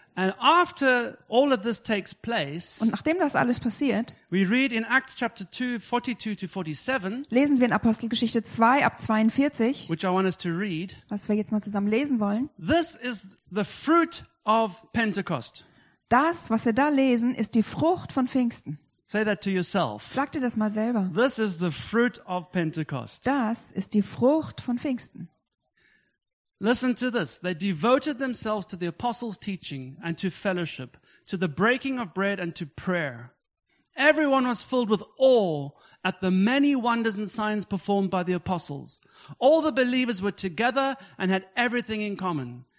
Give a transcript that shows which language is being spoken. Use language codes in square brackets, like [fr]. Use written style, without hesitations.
[en] And after all of this takes place, [de] und nachdem das alles passiert, [en] we read in Acts chapter 2, 42 to 47, [de] lesen wir in Apostelgeschichte 2 ab 42, [en] which I want us to read, [de] was wir jetzt mal zusammen lesen wollen. [en] This is the fruit of Pentecost. [de] Das, was wir da lesen, ist die Frucht von Pfingsten. [en] Say that to yourself. [de] Sag dir das mal selber. [en] This is the fruit of Pentecost. [de] Das ist die Frucht von Pfingsten. [en] Listen to this. They devoted themselves to the apostles' teaching and to fellowship, to the breaking of bread and to prayer. Everyone was filled with awe at the many wonders and signs performed by the apostles. All the believers were together and had everything in common.